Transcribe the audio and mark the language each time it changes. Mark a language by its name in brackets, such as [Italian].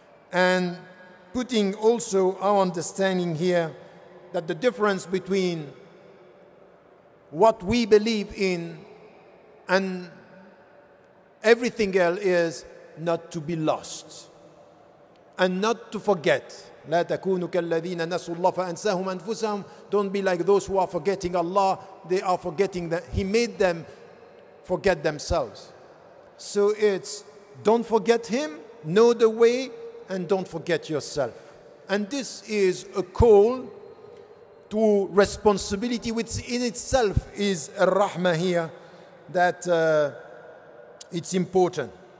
[English] And putting also our understanding here, that the difference between what we believe in and everything else is not to be lost and not to forget. [Arabic] لا تكونوا كالذين نسوا الله فأنساهم أنفسهم. [English] Don't be like those who are forgetting Allah. They are forgetting that He made them forget themselves. So it's don't forget Him, know the way, and don't forget yourself. And this is a call to responsibility, which in itself is a rahmah here, that it's important.